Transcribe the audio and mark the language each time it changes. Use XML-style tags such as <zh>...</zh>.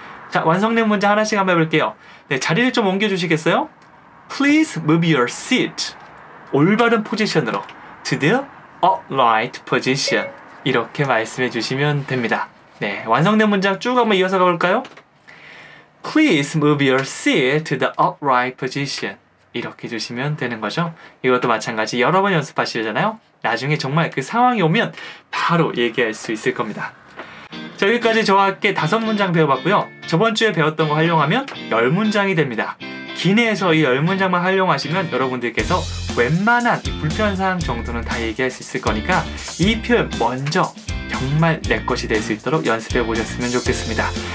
<ko>자, 완성된 문제 하나씩 한번 해볼게요. 네, 자리를 좀 옮겨주시겠어요?</ko> <en>Please move your seat.</en> <ko>올바른 포지션으로</ko> <en>to the upright position</en> <ko>이렇게 말씀해 주시면 됩니다. 네, 완성된 문장 쭉 한번 이어서 가볼까요?</ko> <en>Please move your seat to the upright position.</en> <ko>이렇게 주시면 되는 거죠. 이것도 마찬가지 여러 번 연습하시잖아요. 나중에 정말 그 상황이 오면 바로 얘기할 수 있을 겁니다. 자, 여기까지 저와 함께 다섯 문장 배워봤고요. 저번 주에 배웠던 거 활용하면 열 문장이 됩니다. 기내에서 이 열 문장만 활용하시면 여러분들께서 웬만한 불편사항 정도는 다 얘기할 수 있을 거니까 이 표현 먼저 정말 내 것이 될 수 있도록 연습해 보셨으면 좋겠습니다.</ko>